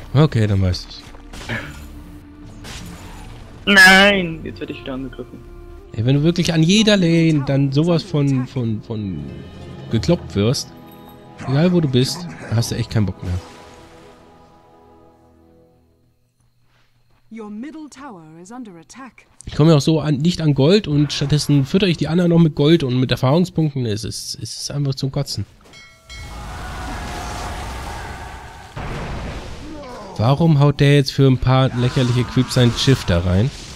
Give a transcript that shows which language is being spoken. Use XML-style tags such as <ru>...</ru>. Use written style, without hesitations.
<de>Okay, dann weißt du es. Nein, jetzt werde ich wieder angegriffen. Ey, wenn du wirklich an jeder Lane dann sowas von gekloppt wirst, egal wo du bist, hast du echt keinen Bock mehr.</de> <en>Your middle tower is under attack.</en> <de>Ich komme ja auch so an, nicht an Gold und stattdessen füttere ich die anderen noch mit Gold und mit Erfahrungspunkten. Es ist einfach zum Kotzen. Warum haut der jetzt für ein paar lächerliche Creeps sein Schiff da rein?</de>